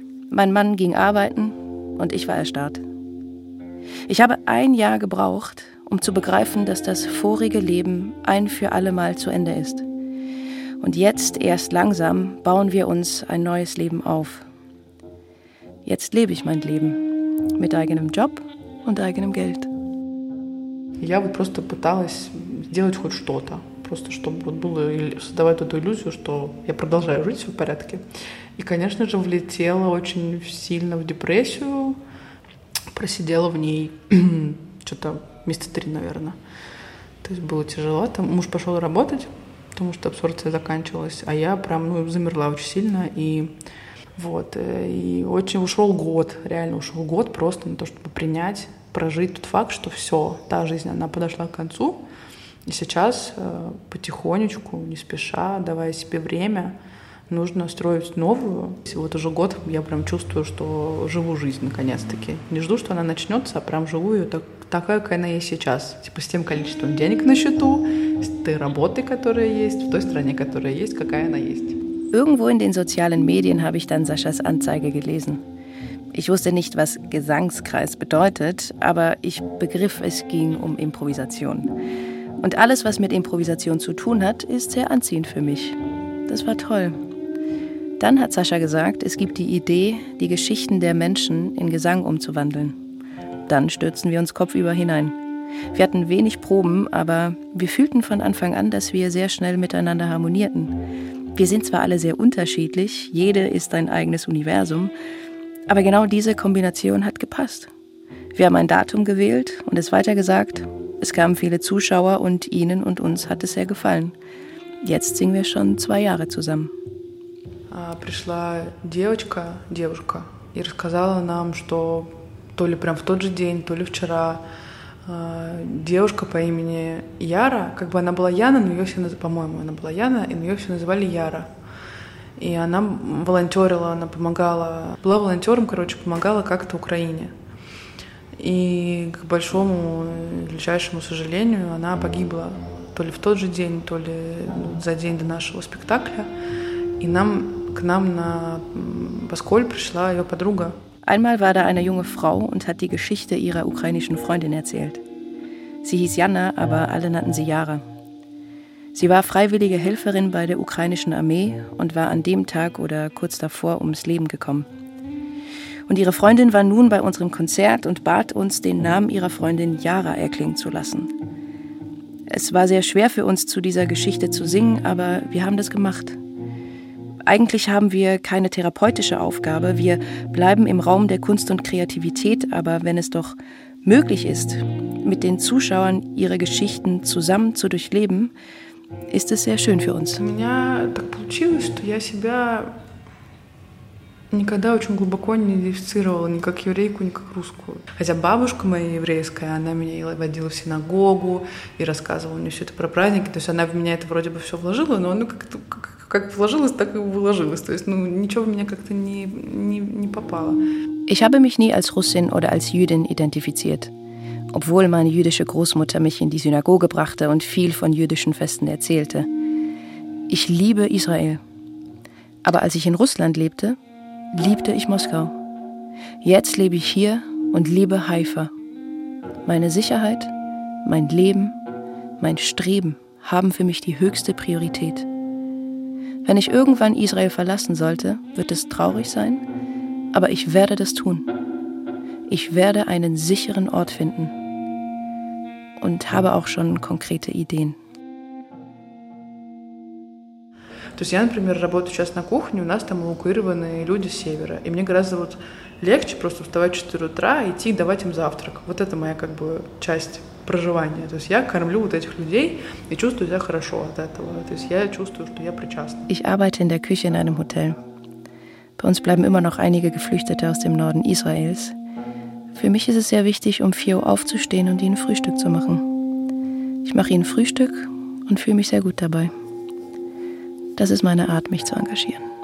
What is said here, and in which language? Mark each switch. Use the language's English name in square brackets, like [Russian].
[German] Mein Mann ging arbeiten und ich war erstarrt. Ich habe 1 Jahr gebraucht, um zu begreifen, dass das vorige Leben ein für alle Mal zu Ende ist. Und jetzt, erst langsam, bauen wir uns ein neues Leben auf. Jetzt lebe ich mein Leben mit eigenem Job und eigenem Geld. [Russian] Я вот просто пыталась сделать хоть что-то, просто чтобы вот было создавать эту иллюзию, что я продолжаю жить, все в порядке. И, конечно же, влетела очень сильно в депрессию, просидела в ней что-то 3 месяца, наверное. То есть было тяжело. Там муж пошел работать, потому что абсорбция заканчивалась, а я прям замерла очень сильно и вот. И очень ушел год, реально ушел год просто на то, чтобы принять, прожить тот факт, что все, та жизнь, она подошла к концу. И сейчас потихонечку, не спеша, давая себе время, нужно строить новую. И вот уже год я прям чувствую, что живу жизнь наконец-таки. Не жду, что она начнется, а прям живу ее такая, какая она есть сейчас. Типа с тем количеством денег на счету, с той работой, которая есть, в той стране, которая есть, какая она есть. [German] Irgendwo in den sozialen Medien habe ich dann Saschas Anzeige gelesen. Ich wusste nicht, was Gesangskreis bedeutet, aber ich begriff, es ging um Improvisation. Und alles, was mit Improvisation zu tun hat, ist sehr anziehend für mich. Das war toll. Dann hat Sascha gesagt, es gibt die Idee, die Geschichten der Menschen in Gesang umzuwandeln. Dann stürzten wir uns kopfüber hinein. Wir hatten wenig Proben, aber wir fühlten von Anfang an, dass wir sehr schnell miteinander harmonierten. Wir sind zwar alle sehr unterschiedlich, jede ist ein eigenes Universum, aber genau diese Kombination hat gepasst. Wir haben ein Datum gewählt und es weitergesagt. Es kamen viele Zuschauer und ihnen und uns hat es sehr gefallen. Jetzt singen wir schon 2 Jahre zusammen. [Russian] Пришла девочка, девушка, и рассказала нам, что то ли прям в тот же день, то ли вчера девушка по имени Яра, как бы она была Яна, но ее все называли, по-моему, она была Яна, и ее все называли Яра. И она волонтерила, она помогала, была волонтером, короче, помогала как-то Украине. И к большому, величайшему сожалению, она погибла то ли в тот же день, то ли за день до нашего спектакля. И нам К нам на Баскол пришла ее подруга. [German] Einmal war da eine junge Frau und hat die Geschichte ihrer ukrainischen Freundin erzählt. Sie hieß Jana, aber alle nannten sie Yara. Sie war freiwillige Helferin bei der ukrainischen Armee und war an dem Tag oder kurz davor ums Leben gekommen. Und ihre Freundin war nun bei unserem Konzert und bat uns, den Namen ihrer Freundin Yara erklingen zu lassen. Es war sehr schwer für uns, zu dieser Geschichte zu singen, aber wir haben das gemacht. Eigentlich haben wir keine therapeutische Aufgabe, wir bleiben im Raum der Kunst und Kreativität, aber wenn es doch möglich ist, mit den Zuschauern ihre Geschichten zusammen zu durchleben, ist es sehr schön für uns. [Russian] У меня так получилось, что я себя никогда очень глубоко не идентифицировала ни как еврейку, ни как русскую. Хотя бабушка моя еврейская, она меня водила в синагогу и рассказывала мне все это про праздники, то есть она в меня это вроде бы все вложила, но оно как-то... Как вложилось, так и выложилось. То есть, ну, ничего в меня как-то не попало. [German] Ich habe mich nie als Russin oder als Jüdin identifiziert. Obwohl meine jüdische Großmutter mich in die Synagoge brachte und viel von jüdischen Festen erzählte. Ich liebe Israel. Aber als ich in Russland lebte, liebte ich Moskau. Jetzt lebe ich hier und liebe Haifa. Meine Sicherheit, mein Leben, mein Streben haben für mich die höchste Priorität. Wenn ich irgendwann Israel verlassen sollte, wird es traurig sein, aber ich werde das tun. Ich werde einen sicheren Ort finden und habe auch schon konkrete Ideen. [Russian] То есть я, например, работаю сейчас на кухне, у нас там эвакуированные люди с севера, и мне гораздо вот легче просто вставать в 4 утра, идти давать им завтрак. Вот это моя как бы часть. Проживание. То есть я кормлю вот этих людей и чувствую себя хорошо от этого. То есть я чувствую, что я причастна. [German] Ich arbeite in der Küche in einem Hotel. Bei uns bleiben immer noch einige Geflüchtete aus dem Norden Israels. Für mich ist es sehr wichtig, um 4 Uhr aufzustehen und ihnen Frühstück zu machen. Ich mache ihnen Frühstück und fühle mich sehr gut dabei. Das ist meine Art, mich zu engagieren.